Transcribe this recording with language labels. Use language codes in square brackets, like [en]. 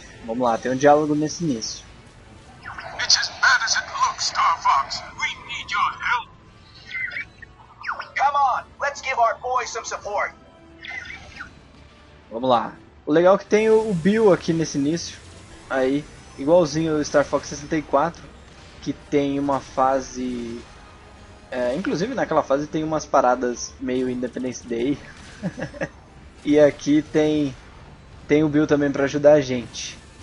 [pt] Vamos lá, tem um diálogo nesse início. [en] It's as bad as it looks, Star Fox. We need your help. Come on, let's give our boy some support. [pt] Vamos lá. O legal é que tem o Bill aqui nesse início, aí igualzinho o Star Fox 64, que tem uma fase, inclusive naquela fase tem umas paradas meio Independence Day, e aqui tem o Bill também para ajudar a gente.